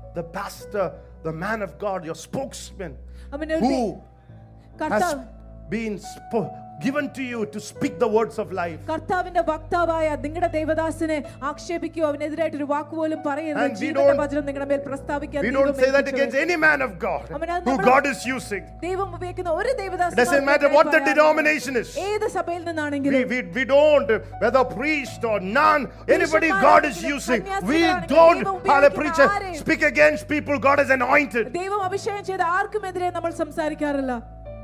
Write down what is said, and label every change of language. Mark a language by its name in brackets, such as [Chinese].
[English] The pastor, the man of God, your spokesman, who has been given to you to speak the words of life. [Malayalam] കർത്താവിന്റെ വക്താവായ നിങ്ങളുടെ ദൈവദാസനെ ആക്ഷേപിക്കുക, അവനെതിരായിട്ട് ഒരു വാക്ക് പോലും പറയരുത്. ജീവന്റെ വചനം നിങ്ങളുടെ മേൽ പ്രസ്താവിക്കരുത്. [English] We don't say that against any man of God who God is using. [Malayalam] ദൈവം ഉപയോഗിക്കുന്ന ഒരു ദൈവദാസനെ, [English] doesn't matter what the denomination is, [Malayalam] ഏത് സഭയിൽ നിന്നാണെങ്കിലും, [English] we don't, whether priest or nun, anybody God is using, we don't, as a preacher, speak against people God has anointed. [Malayalam] ദൈവം അഭിഷേകം ചെയ്ത ആർക്കുമെതിരെ നമ്മൾ സംസാരിക്കാറില്ല.